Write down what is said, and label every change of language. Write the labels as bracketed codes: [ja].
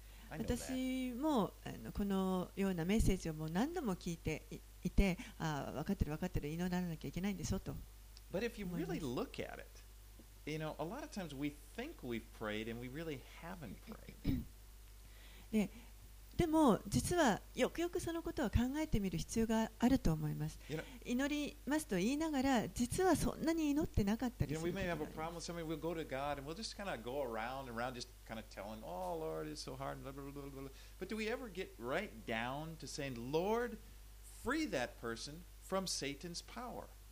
[en] I know that. [ja] 私もこのようなメッセージをもう何度も聞いていて、分かってる分かってる、祈らなきゃいけないんでしょうと。 [en] But if you really look at it, you know, a lot of times we think we've prayed and we really haven't prayed. [ja] でも実はよくよくそのことを考えてみる必要があると思います。祈りますと言いながら実はそんなに祈ってなかったりすることがあります。 [en] We'll just kind of go around and around just kind of telling, oh Lord, it's so hard, blah, blah, blah, blah. But do we ever get right down to saying, Lord, free that person from Satan's power.